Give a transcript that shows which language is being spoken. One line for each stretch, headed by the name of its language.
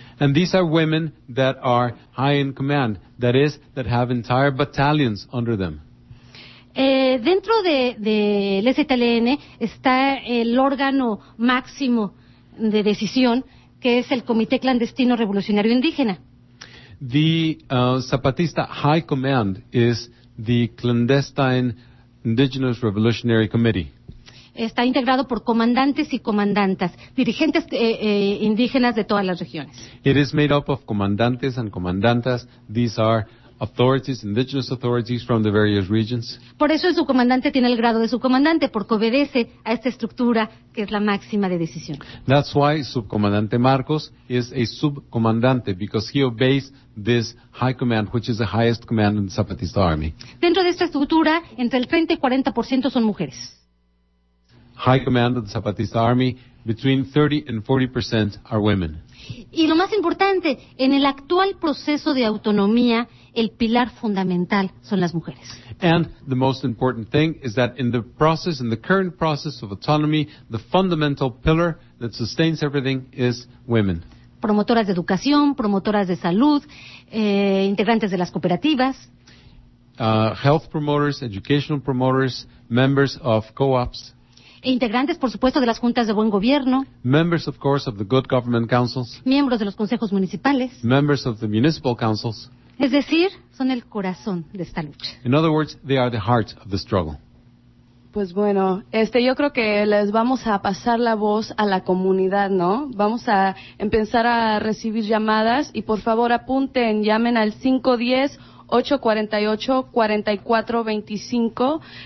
English: And these are women that are high in command, that is, that have entire battalions under them.
Spanish: Dentro del STLN está el órgano máximo de decisión, que es el Comité Clandestino Revolucionario Indígena.
English: The Zapatista High Command is the Clandestine Indigenous Revolutionary Committee.
Spanish: Está integrado por comandantes y comandantas, dirigentes indígenas de todas las regiones.
English: It is made up of comandantes and comandantas. These are authorities, indigenous authorities from the various regions.
Spanish: Por eso su comandante tiene el grado de subcomandante, porque obedece a esta estructura que es la máxima de decisión.
English: That's why Subcomandante Marcos is a subcomandante, because he obeys this high command, which is the highest command in the Zapatista Army.
Spanish: Dentro de esta estructura, entre el 30 y 40% son mujeres.
English: High command of the Zapatista Army, between 30 and 40% are women.
Spanish: Y lo más importante, en el actual proceso de autonomía, el pilar fundamental son las mujeres.
English: And the most important thing is that in the process, in the current process of autonomy, the fundamental pillar that sustains everything is women.
Spanish: Promotoras de educación, promotoras de salud, integrantes de las cooperativas.
English: Health promoters, educational promoters, members of co-ops.
Spanish: Integrantes, por supuesto, de las juntas de buen gobierno.
English: Members, of course, of the good government councils.
Spanish: Miembros de los consejos municipales.
English: Members of the municipal councils.
Spanish: Es decir, son el corazón de esta lucha.
English: In other words, they are the heart of the struggle.
Spanish: Pues bueno, yo creo que les vamos a pasar la voz a la comunidad, ¿no? Vamos a empezar a recibir llamadas y por favor apunten, llamen al 510-848-4425.